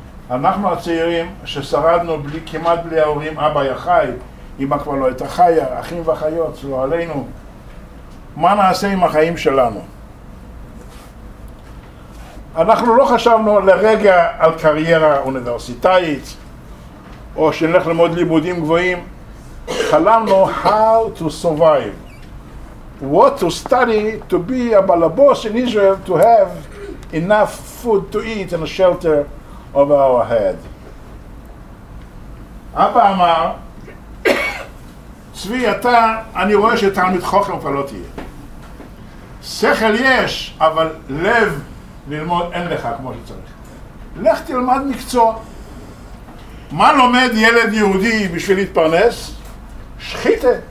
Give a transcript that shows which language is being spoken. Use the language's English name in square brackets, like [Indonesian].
[Hebrew] אנחנו הצעירים ששרדנו בלי, כמעט בלי ההורים, אבא היה חי, אמא כבר לא הייתה חיה, אחים ואחיות, לא עלינו. מה נעשה עם החיים שלנו? אנחנו לא חשבנו לרגע על קריירה אוניברסיטאית, או שנלך ללמוד לימודים גבוהים. חלמנו [English] how to survive. What to study to be a balabos in Israel to have enough food to eat and a shelter over our head. [Hebrew] אבא אמר, צבי, אתה, אני רואה שתלמיד חוכם כבר לא תהיה. שכל יש, אבל לב ללמוד אין לך כמו שצריך. לך תלמד מקצוע. מה לומד ילד יהודי בשביל להתפרנס? שחיתה.